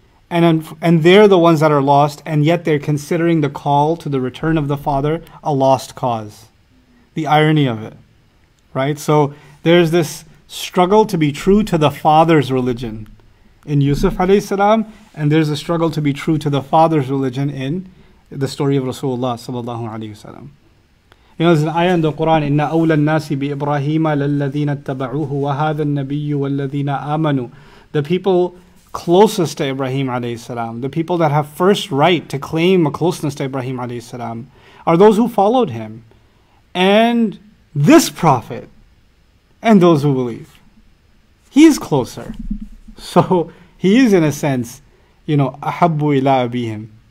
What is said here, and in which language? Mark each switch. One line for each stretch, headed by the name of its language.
English: And they're the ones that are lost, and yet they're considering the call to the return of the father a lost cause. The irony of it, right? So there's this struggle to be true to the father's religion in Yusuf alayhi salam, and there's a struggle to be true to the father's religion in the story of Rasulullah sallallahu alayhi wasallam. You know, there's an ayah in the Quran,
Arabic: إِنَّ أَوْلَى النَّاسِ بِإِبْرَاهِيمَ لَلَّذِينَ اتَّبَعُوهُ وَهَذَا النَّبِيُّ وَالَّذِينَ آمَنُوا.
English: The people closest to Ibrahim alayhi salam, the people that have first right to claim a closeness to Ibrahim alayhi salam, are those who followed him, and this prophet, and those who believe. He's closer. So he is, in a sense, you know,
Arabic: أَحَبُّ إِلَىٰ أَبِيهِمْ.